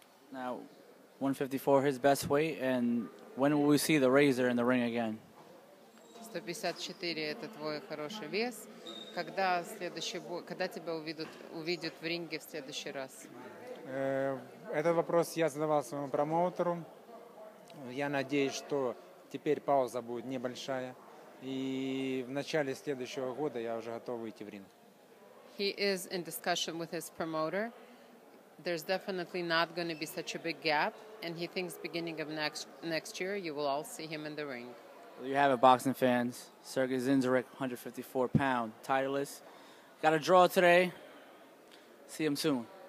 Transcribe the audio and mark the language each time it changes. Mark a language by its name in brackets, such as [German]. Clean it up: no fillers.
[English] Now, 154, his best weight, and when will we see the razor in the ring again? [Russian] 154 – это твой хороший вес. Когда следующий бой, когда тебя увидят в ринге в следующий раз? Этот вопрос я задавал своему промоутеру. Я надеюсь, что теперь пауза будет небольшая. И в начале следующего года я уже готов выйти в ринг. [English] He is in discussion with his promoter. There's definitely not going to be such a big gap, and he thinks beginning of next year you will all see him in the ring. Well, you have it, boxing fans. Sergiy Dzinziruk, 154-pound, titleist. Got a draw today. See him soon.